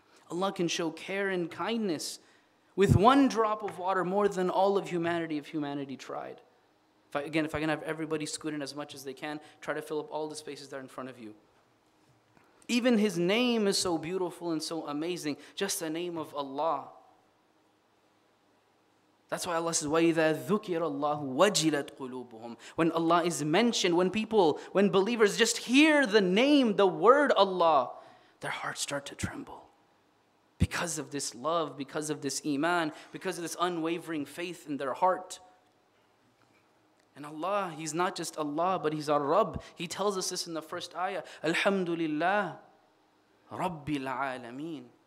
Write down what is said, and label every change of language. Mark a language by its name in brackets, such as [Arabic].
[English] Allah can show care and kindness with one drop of water more than all of humanity if humanity tried. If I can have everybody scoot in as much as they can, try to fill up all the spaces that are in front of you. Even His name is so beautiful and so amazing, just the name of Allah. That's why Allah says, [Arabic] وَإِذَا ذُكِرَ اللَّهُ وَجِلَتْ قُلُوبُهُمْ. [English] When Allah is mentioned, when believers just hear the name, the word Allah, their hearts start to tremble. Because of this love, because of this iman, because of this unwavering faith in their heart. And Allah, He's not just Allah, but He's our Rabb. He tells us this in the first ayah, Alhamdulillah, [Arabic] رَبِّ الْعَالَمِينَ.